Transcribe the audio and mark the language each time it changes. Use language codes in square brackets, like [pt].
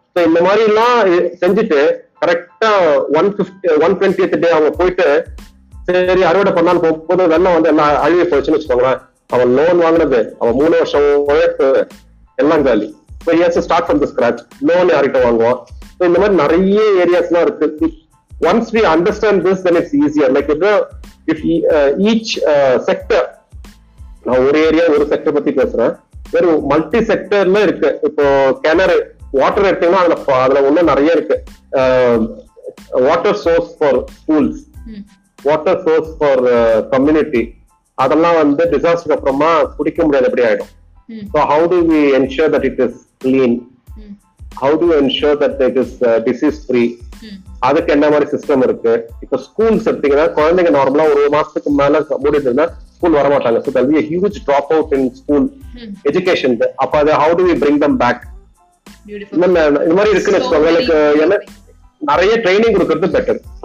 [ta] So இந்த மாதிரி எல்லாம் செஞ்சுட்டு கரெக்டா 120th டே அவங்க போயிட்டு சரி அறுவடை பண்ணாலும் போகும்போது வெள்ளம் வந்து எல்லாம் அழிய போச்சுன்னு வச்சுக்கோங்களேன், அவன் லோன் வாங்கினது அவன் 3 வருஷம் உழைப்பு எல்லாம் காலி. ஸ்டார்ட் பண்ணி ஸ்கிராச் லோன் யார்கிட்ட வாங்குவான், இந்த மாதிரி நிறைய ஏரியாஸ் எல்லாம் இருக்கு. [en] Once we understand this, then it's easier. Like if each sector, now one area, one sector, but it's different. There are multi-sector. Like if canary water, it's not enough. There are many water source for schools, water source for community. That's why the disaster from a particular area. So how do we ensure that it is clean? How do you ensure that it is disease-free? [ta] அதுக்கு என்ன மாதிரி system இருக்கு? இப்ப schools எடுத்தீங்கன்னா குழந்தைங்க நார்மலா ஒரு மாசத்துக்கு மேல முடிஞ்சதுன்னா ஸ்கூல் வரமாட்டாங்க. [en] So there is a huge drop out in school education. [ta] அப்ப அது [en] How do we bring them back? [ta] இந்த மாதிரி இருக்குன்னு வச்சுக்கோங்க, நிறைய ட்ரைனிங் கொடுக்கறது பெட்டர்.